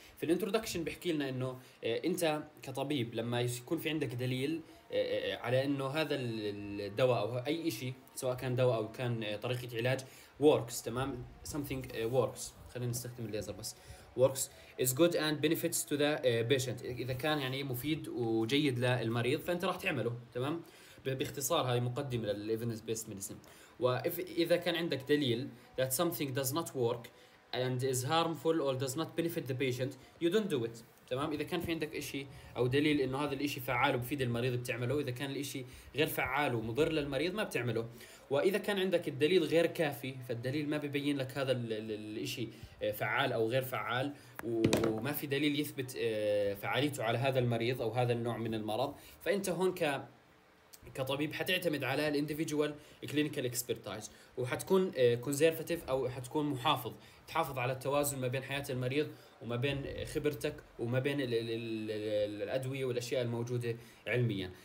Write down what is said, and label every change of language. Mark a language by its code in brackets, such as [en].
[ar] في الانترودكشن بحكي لنا انه انت كطبيب لما يكون في عندك دليل على انه هذا الدواء او اي شيء سواء كان دواء او كان طريقه علاج works، تمام، [en] something works، [ar] خلينا نستخدم الليزر بس، [en] works is good and benefits to the patient، [ar] اذا كان يعني مفيد وجيد للمريض فانت راح تعمله، تمام. باختصار هاي مقدمه للevidence based medicine. واذا كان عندك دليل [en] that something does not work and is harmful or does not benefit the patient you don't do it، [ar] تمام. اذا كان في عندك شيء او دليل انه هذا الشيء فعال ومفيد للمريض بتعمله، اذا كان الشيء غير فعال ومضر للمريض ما بتعمله. واذا كان عندك الدليل غير كافي، فالدليل ما ببين لك هذا الشيء فعال او غير فعال وما في دليل يثبت فعاليته على هذا المريض او هذا النوع من المرض، فانت هون كطبيب حتعتمد على الانديفيديوال كلينيكال اكسبرتايز، وحتكون كونزرفاتيف او حتكون محافظ، تحافظ على التوازن ما بين حياه المريض وما بين خبرتك وما بين الادويه والاشياء الموجوده علميا.